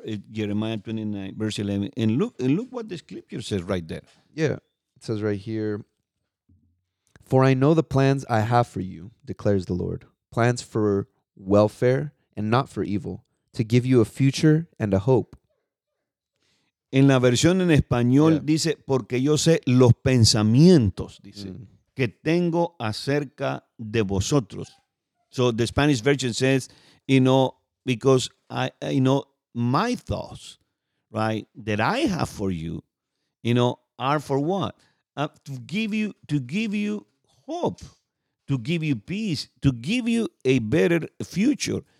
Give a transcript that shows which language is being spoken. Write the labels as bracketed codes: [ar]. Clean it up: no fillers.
[en] Jeremiah 29, verse 11. And look what the scripture says right there. Yeah, it says right here. For I know the plans I have for you, declares the Lord. Plans for welfare and not for evil, to give you a future and a hope. [es] En la versión en español dice, porque yo sé los pensamientos, dice, que tengo acerca de vosotros. [en] So the Spanish version says, you know, because I, you know, my thoughts, right, that I have for you, you know, are for what? To give you hope, to give you peace, to give you a better future.